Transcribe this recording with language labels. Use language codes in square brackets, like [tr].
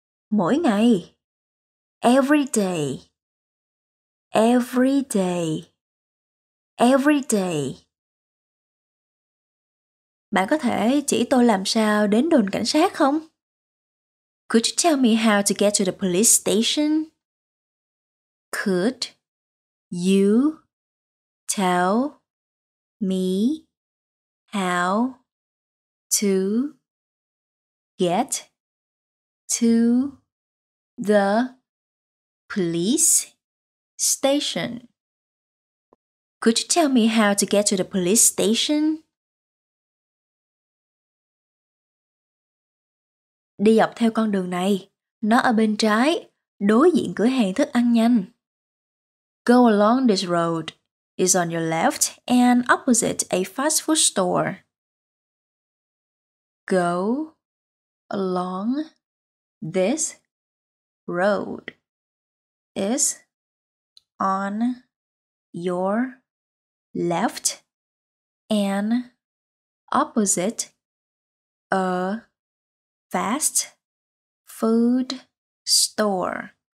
[vi] Mỗi ngày. [en] Every day. Every day. Every day. [vi] Bạn có thể chỉ tôi làm sao đến đồn cảnh sát không? [en] Could you tell me how to get to the police station? Could you tell me how to get to the police station? Could you tell me how to get to the police station? [vi] Đi dọc theo con đường này, nó ở bên trái, đối diện cửa hàng thức ăn nhanh. [en] Go along this road. It's on your left and opposite a fast food store. Go along this road. It's on your left and opposite a fast food store.